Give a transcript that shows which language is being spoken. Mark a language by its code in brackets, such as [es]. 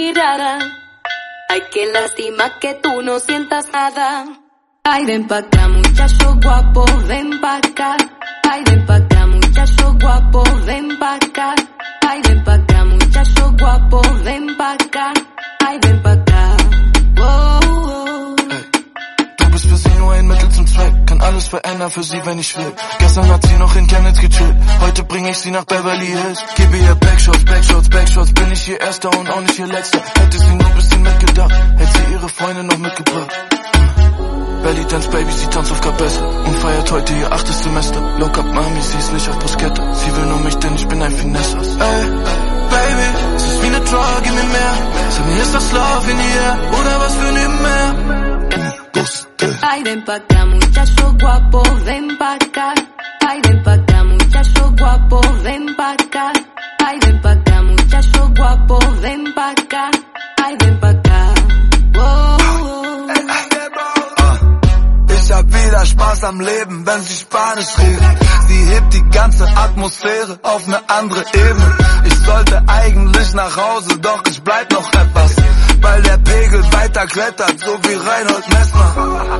[es] Ay, qué lástima que tú no sientas nada. Ay, ven pa' acá, muchacho guapo, ven pa' acá. Ay, ven pa' acá, muchacho guapo, ven pa' acá. Ay, ven pa' acá, muchacho guapo, ven pa' acá. Ay, ven pa' acá, oh, oh. [de] Du bist für sie nur ein Mittel zum Zweck. Kann alles verändern für sie, wenn ich will. Gestern hat sie noch in Chemnitz gechillt. Heute bring ich sie nach Beverly Hills. Gib ihr Backshots, Backshots, Backshots. Bin ich ihr Erster und auch nicht ihr Letzter. Hätte sie nur ein bisschen mitgedacht, hätte sie ihre Freunde noch mitgebracht. Belly Dance Baby, sie tanzt auf Capesa und feiert heute ihr achtes Semester. Low Cup Mami, sie ist nicht auf Bruschetta. Sie will nur mich, denn ich bin ein Finessas. Ey, Baby, es ist wie eine Drug, gib mir mehr. Sag mir, ist das [en] Love in the air [de] oder was für ein Meer? [es] Ay, ven pa' acá, muchacho guapo, ven pa' acá. Ay, ven pa' acá, muchacho guapo, ven pa' acá. Ay, ven pa' acá, muchacho guapo, ven pa' acá. Ay, ven pa' acá. [de] Ich hab wieder Spaß am Leben, wenn sie Spanisch redet. Sie hebt die ganze Atmosphäre auf ne andere Ebene. Ich sollte eigentlich nach Hause, doch ich bleib noch etwas. Weil der Pegel weiter klettert, so wie Reinhold Messner.